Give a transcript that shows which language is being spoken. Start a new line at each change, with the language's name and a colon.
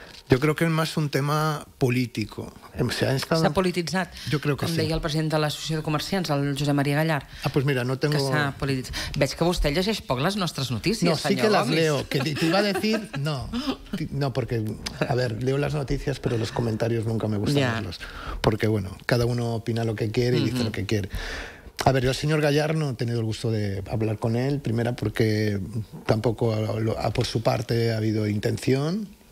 Spanish: Yo creo que es más un tema político.
Catalan: S'ha polititzat, jo crec que com sí. Deia el president de l'Associació de Comerciants, el Josep Maria Gallar.
Spanish: Ah, pues mira, no tengo...
Catalan: Que veig que vostè llegeix poc les nostres notícies,
Spanish: senyor Gomis. No, sí que les leo.
Catalan: Que t'hi va
Spanish: decir... No, no, porque... A ver, leo las noticias, pero los comentarios nunca me gustan verlos. Porque, bueno, cada uno opina lo que quiere y dice lo que quiere. A ver, yo al señor Gallar no he tenido el gusto de hablar con él. Primera, porque tampoco por su parte ha habido intención...